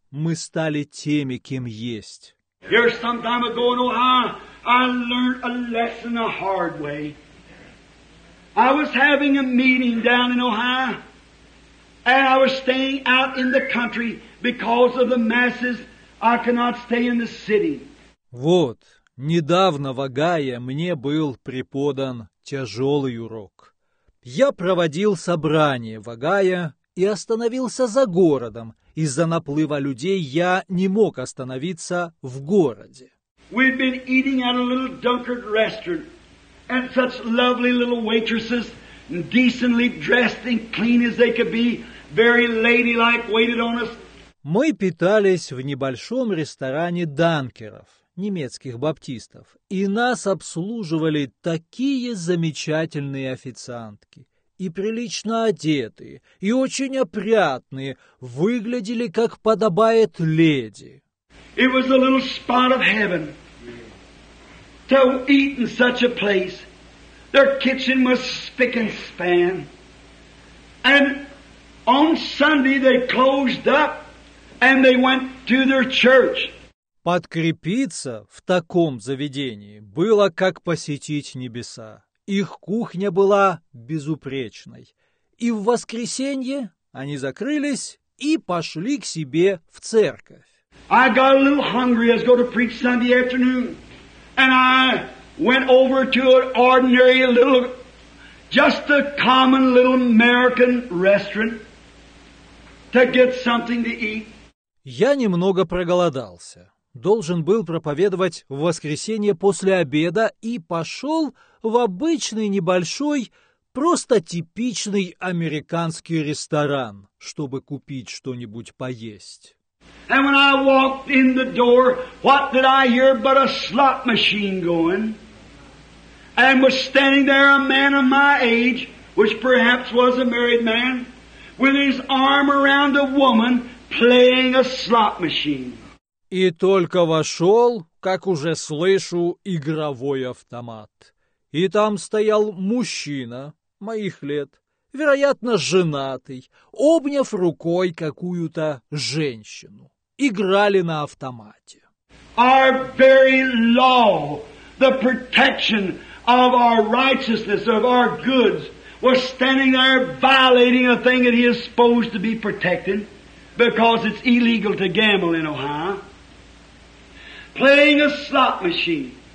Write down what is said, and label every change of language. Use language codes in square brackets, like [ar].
[ru] мы стали теми, кем есть. [en] Here some time ago in Ohio, I learned a lesson the hard way. I was having a meeting down in Ohio, and I was staying out in the country because of the masses. I cannot stay in the city. [ru] Вот, недавно в Огайо мне был преподан тяжелый урок. Я проводил собрание в Огайо и остановился за городом. Из-за наплыва людей я не мог остановиться в городе. [en] We've been eating at a little dunkard restaurant. And such lovely little waitresses, decently dressed and clean as they could be, very ladylike, waited on us. [ru] Мы питались в небольшом ресторане данкеров, немецких баптистов, и нас обслуживали такие замечательные официантки, и прилично одетые, и очень опрятные, выглядели, как подобает леди. [en] It was a little spot of heaven. To eat in such a place, their kitchen was spick and span. And on Sunday they closed up and they went to their church. [ru] Подкрепиться в таком заведении было как посетить небеса. Их кухня была безупречной. И в воскресенье они закрылись и пошли к себе в церковь. [en] I got a little hungry as I go to preach Sunday afternoon. And I went over to an ordinary little, just a common little American restaurant to get something to eat. [ru] Я немного проголодался. Должен был проповедовать в воскресенье после обеда и пошел в обычный небольшой, просто типичный американский ресторан, чтобы купить что-нибудь поесть. [en] And when I walked in the door, what did I hear but a slot machine going? And was standing there a man of my age, which perhaps was a married man, with his arm around a woman playing a slot machine. [ru] И только вошел, как уже слышу, игровой автомат. И там стоял мужчина моих лет, вероятно, женатый, обняв рукой какую-то женщину. Играли на автомате. [en] Our very law, the protection of our righteousness, of our goods, was standing there violating a thing that he is supposed to be protecting, because it's illegal to gamble in Ohio, playing a slot machine.